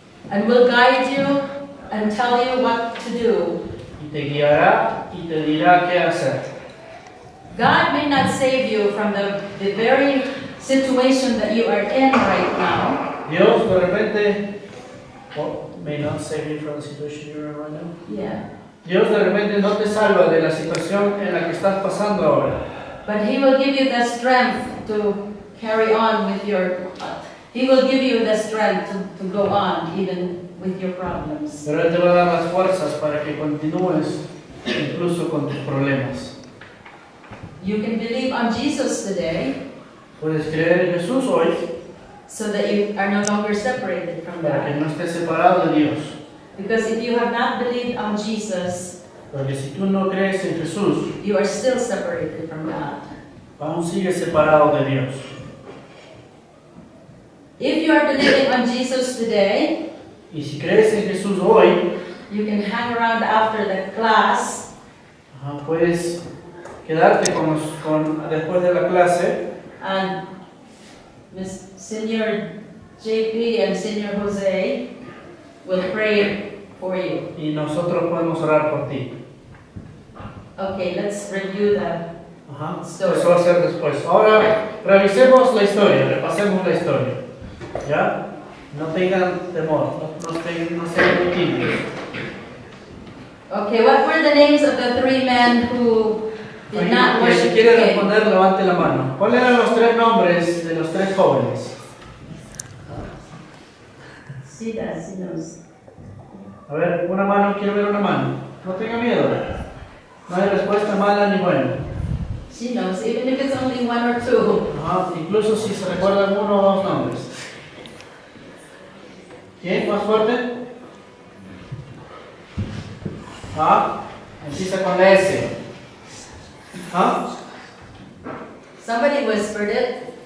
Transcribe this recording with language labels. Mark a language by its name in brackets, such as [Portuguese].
[English] And will guide you and tell you what to do. [Spanish] Y te guiará y te dirá qué hacer. [English] God may not save you from the very situation that you are in right now. [Spanish] Dios de repente [English] may not save you from the situation you are right now. Yeah. [Spanish] Dios de repente no te salva de la situación en la que estás pasando ahora. [English] But he will give you the strength to carry on with your He will give you the strength to go on even with your problems. [Spanish] Pero te va a dar las fuerzas para que continúes incluso con tus problemas. [English] You can believe on Jesus today. [Spanish] Puedes creer en Jesús hoy. [English] So that you are no longer separated from God. [Spanish] Para que no estés separado de Dios. [English] Because if you have not believed on Jesus, [Spanish] porque si tú no crees en Jesús, [English] you are still separated from God. [Spanish] Aún sigues separado de Dios. [English] If you are believing on Jesus today, [Spanish] y si crees en Jesús hoy, [English] you can hang around after the class. [Spanish] Puedes quedarte con después de la clase. [English] And Miss Senior JP and Senior Jose will pray for you. [Spanish] Y nosotros podemos orar por ti. [English] Okay, let's review the story. [Spanish] Eso va a ser después. Ahora revisemos la historia, repasemos la historia. ¿Ya? No tengan temor, no sean muy tímidos. [English] Okay, what were the names of the three men who did not worship? [Spanish] Si quiere responder, levante la mano. ¿Cuáles eran los tres nombres de los tres jóvenes? Sí, así nos. A ver, una mano, quiero ver una mano. No tenga miedo. No hay respuesta mala ni buena. Sí, no, [English] even if it's only one or two. [Spanish] Incluso si se recuerdan uno o dos nombres. ¿Quién? ¿Más fuerte? ¿Ah? Empieza con la S. ¿Ah? [English] Somebody whispered it.